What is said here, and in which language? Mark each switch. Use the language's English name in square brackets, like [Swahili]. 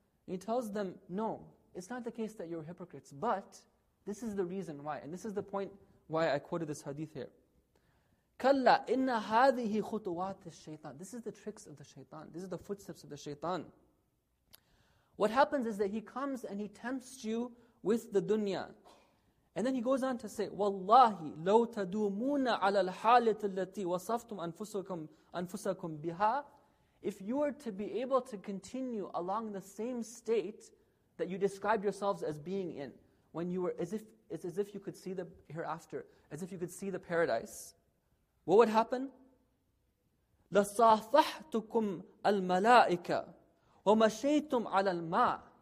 [English] He tells them, no, it's not the case that you're hypocrites, but this is the reason why. And this is the point why I quoted this hadith here. [Arabic] Kalla inna hadhihi khutuwat ash-shaytan. [English] This is the tricks of the shaytan. This is the footsteps of the shaytan. What happens is that he comes and he tempts you with the dunya. And then he goes on to say, [Arabic] وَاللَّهِ لَوْ تَدُومُونَ عَلَى الْحَالَةِ الَّتِي وَصَفْتُمْ أَنفُسَكُمْ بِهَا. [English] if you are to be able to continue along the same state that you described yourselves as being in, when you were as if you could see the hereafter, as if you could see the paradise, what would happen? [Arabic] لَصَافَحْتُكُمْ الْمَلَائِكَ وَمَشَيْتُمْ عَلَى الْمَاءِ.